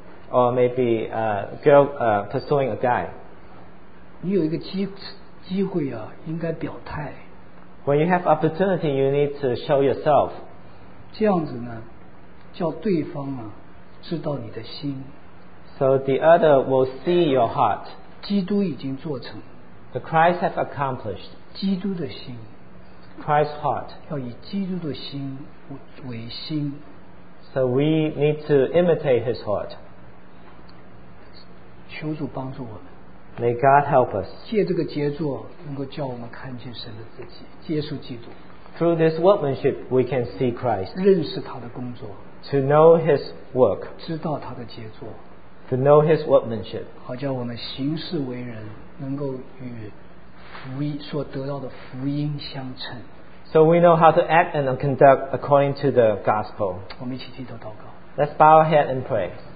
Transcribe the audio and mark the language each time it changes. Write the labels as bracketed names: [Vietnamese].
[English] or maybe a girl pursuing a guy. [Chinese] 你有一个机会啊, 应该表态, [English] when you have opportunity you need to show yourself. [Chinese] 这样子呢, 叫对方啊, 知道你的心, [English] so the other will see your heart. [Chinese] 基督已经做成, [English] the Christ has accomplished. [Chinese] 基督的心, [English] Christ's heart. [Chinese] 要以基督的心为心, [English] so we need to imitate his heart. [Chinese] 求主帮助我们, [English] may God help us. [Chinese] 借这个杰作, 能够叫我们看见神的自己, 耶稣基督, [English] through this workmanship we can see Christ. [Chinese] 认识他的工作, [English] to know his work. [Chinese] 知道他的杰作, [English] to know his workmanship. [Chinese] 好叫我们行事为人能够与福音所得到的福音相称, [English] so we know how to act and conduct according to the gospel. [Chinese] 我们一起低头祷告, [English] let's bow our head and pray.